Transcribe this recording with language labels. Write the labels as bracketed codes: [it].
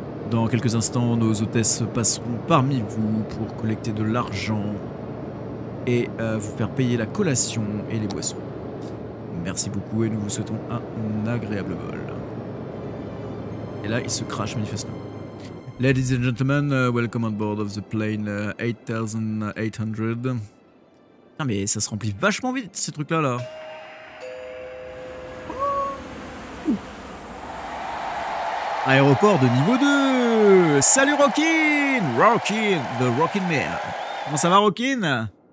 [fr] Dans quelques instants, nos hôtesses passeront parmi vous pour collecter de l'argent et vous faire payer la collation et les boissons. Merci beaucoup et nous vous souhaitons un agréable vol. Et là, il se crache manifestement. [en] Ladies and gentlemen, welcome on board of the plane 8800. [fr] Ah, mais ça se remplit vachement vite, ces trucs-là, là. Aéroport de niveau 2. Salut, Rockin'. Rockin', the Rockin' Mayor. Comment ça va, Rockin'?